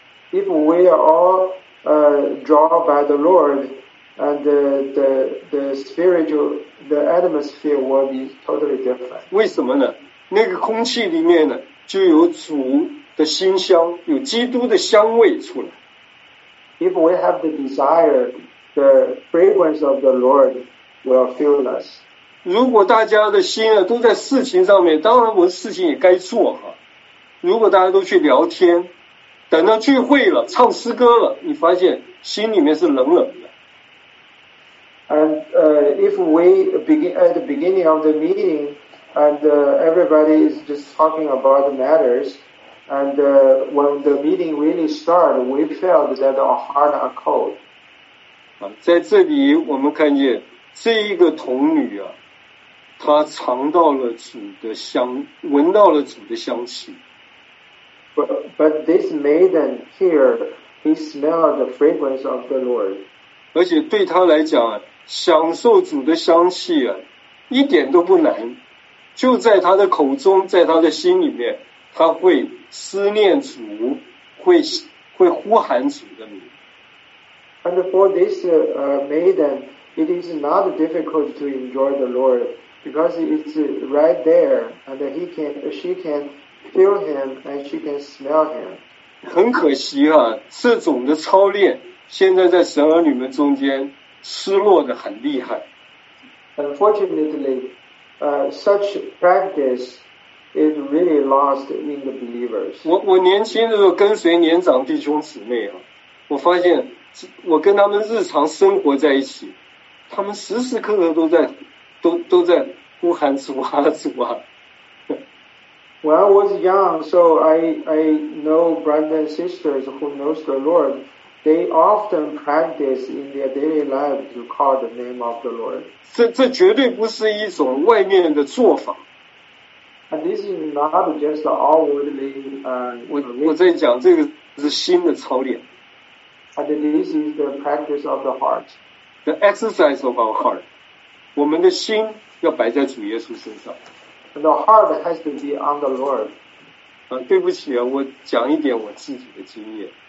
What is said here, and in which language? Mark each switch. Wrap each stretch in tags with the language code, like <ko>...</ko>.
<en>If we are all drawn by the Lord, and the spiritual, the atmosphere will be totally different.</en> <zh>为什么呢？那个空气里面呢，就有主的馨香，有基督的香味出来。</zh> <en>If we have the desire, the fragrance of the Lord will fill us.</en> <zh>如果大家的心呢都在事情上面，当然我的事情也该做哈。如果大家都去聊天，等到聚会了，唱诗歌了，你发现心里面是冷冷的。</zh> <en>And if we begin at the beginning of the meeting, and everybody is just talking about the matters. And when the meeting really started, we felt that our hearts are cold.</en> <zh>在这里我们看见这一个童女啊，她尝到了主的香，闻到了主的香气。</zh> <en>But this maiden here, he smelled the fragrance of the Lord.</en> <zh>而且对她来讲，享受主的香气啊，一点都不难，就在她的口中，在她的心里面，她会。思念主，会呼喊主的名。</zh> <en>And for this maiden, it is not difficult to enjoy the Lord because it's right there, and she can feel him and she can smell him.</en> <zh>很可惜啊，这种的操练现在在神儿女们中间失落的很厉害。</zh> <en>Unfortunately, such practice. Is really lost in the believers.</en> <zh>我年轻的时候跟随年长弟兄姊妹啊，我发现我跟他们日常生活在一起，他们时时刻刻都在呼喊主啊主啊。</zh> <en>When I was young, so I know brothers and sisters who knows the Lord. They often practice in their daily life to call the name of the Lord.</en> <zh>这绝对不是一种外面的做法。</zh> <en>And this is not just outwardly.</en> <zh>我在讲这个是心的操练。</zh> <en>And this is the practice of the heart. The exercise of our heart.</en> <zh>我们的心要摆在主耶稣身上。</zh> <en>And the heart has to be on the Lord.</en> <zh>对不起啊，我讲一点我自己的经验。</zh>